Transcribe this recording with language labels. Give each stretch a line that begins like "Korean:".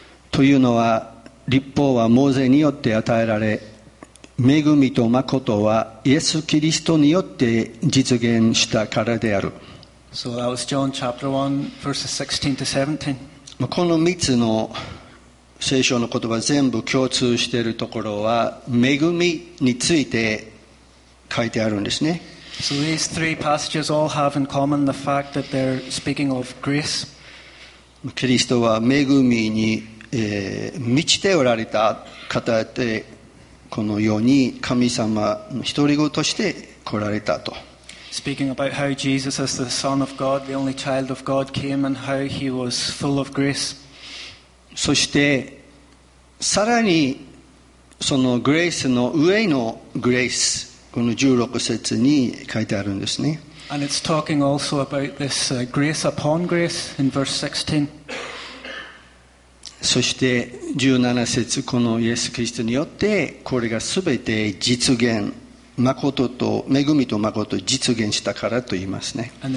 Japanese: というのは、律法はモーゼによって与えられ、恵みと誠はイエス・キリストによって実現したからである。
English: So that was John chapter 1, verses 16 to 17.
Japanese: この3つの聖書の言葉全部共通しているところは、恵みについて書いてあるんですね。
English: So these three passages all have in common the fact that they're speaking of grace.
Japanese: キリストは恵みに満ちておられた方で、このように神様の独り子として来られたと。
English: Speaking about how Jesus as the Son of God, the only child of God, came and how he was full of grace.
Japanese: そしてさらにそのグレースの上のグレース、この16節に書いてあるんですね。
English: And it's talking also about this grace upon grace in verse 16.
Japanese: そして17節、このイエス・キリストによってこれがすべて実現、誠と恵みと誠と実現したからと言いますね。